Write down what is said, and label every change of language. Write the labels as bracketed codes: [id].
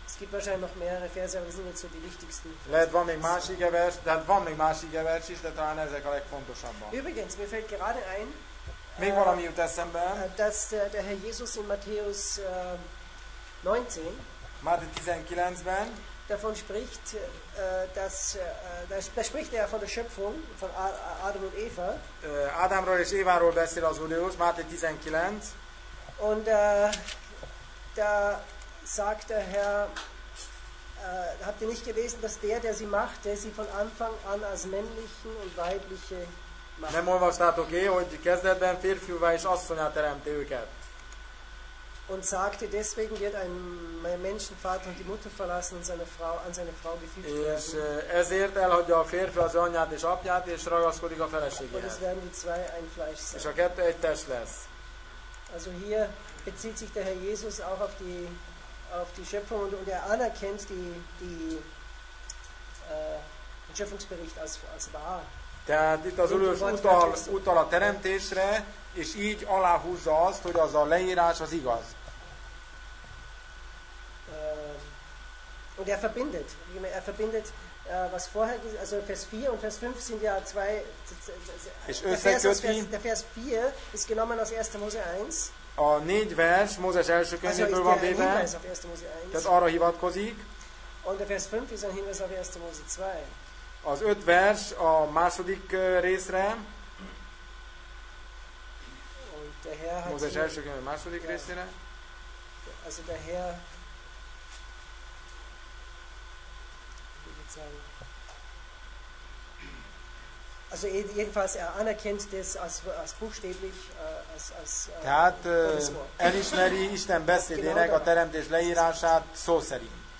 [de] Es gibt wahrscheinlich noch mehrere Verse, aber das sind jetzt so die wichtigsten. [hu] Lehet, van még más ige vers, de van még más ige vers is, de talán ezek a legfontosabbak. [de] Übrigens, mir fällt gerade ein, [hu] még valami jut eszembe, [de] dass der Herr Jesus in Matthäus 19, [hu] Máté 19-ben, [de] davon spricht, dass da spricht er von der Schöpfung von Adam und Eva. [hu] Adamról és Éváról beszél az Úr Jézus, Máté 19. [de] Und da sagt der Herr, habt ihr nicht gelesen, dass der sie machte, sie von Anfang an als männlichen und weibliche machte? [hu] Nem olvastátok én, hogy kezdetben férfiúvá és asszonyá teremti őket. [de] Und sagte, deswegen wird ein Menschenvater die Mutter verlassen und an seine Frau gefügt werden. [hu] És ezért elhagyja a férfi az anyját és apját, és ragaszkodik a feleségéhez. [de] Und es werden die zwei ein Fleisch sein. [hu] És a kettő egy test lesz. [de] Also hier bezieht sich der Herr Jesus auch auf die Schöpfung und er anerkennt den Schöpfungsbericht als wahr. [hu] Tehát itt az Úrös utal a teremtésre, és így aláhúzza azt, hogy az a leírás az igaz. [de] Und er verbindet. Er verbindet, was vorher, also Vers 4 und Vers 5 sind ja zwei. [hu] És összekötni. [de] Der Vers 4 ist genommen aus 1. Mose 1. [hu] A 4 vers Mózes első könyvéből van véve. Tehát arra hivatkozik. [de] Und der Vers 5 ist ein Hinweis auf 1. Mose 2. [hu] Az öt vers a második részre. Mózes első könyve második részére. [de] Also der Herr. Also jedenfalls er anerkennt das als buchstäblich als [hu] tehát elismeri Isten beszédének a teremtés leírását szó szerint.